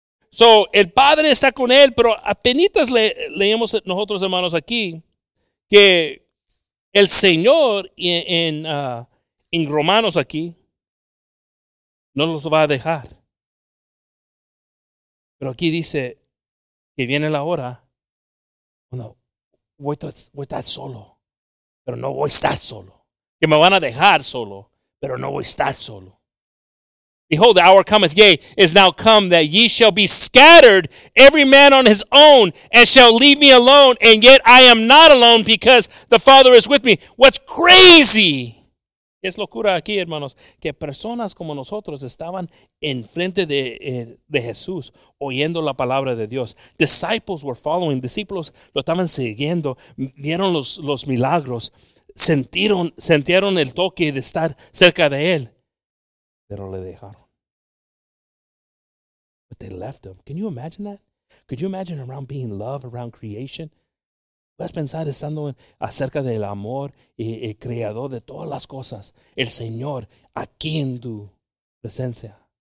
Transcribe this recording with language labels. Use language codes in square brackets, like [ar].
[es] So, el Padre está con él, pero apenitas leemos nosotros, hermanos, aquí que el Señor en Romanos aquí no los va a dejar. Pero aquí dice que viene la hora cuando voy a estar solo, pero no voy a estar solo. Que me van a dejar solo, pero no voy a estar solo. [en] Behold, the hour cometh, yea, is now come, that ye shall be scattered, every man on his own, and shall leave me alone, and yet I am not alone, because the Father is with me. What's crazy? [es] Es locura aquí, hermanos, que personas como nosotros estaban enfrente de Jesús, oyendo la palabra de Dios. [en] Disciples were following. [es] Discípulos lo estaban siguiendo. Vieron los milagros. Sentieron el toque de estar cerca de él. Pero le dejaron. [en] But they left him. Can you imagine that? Could you imagine around being love, around creation? [es] Puedes pensar estando acerca del amor y el creador de todas las cosas, el Señor, aquí en tu presencia.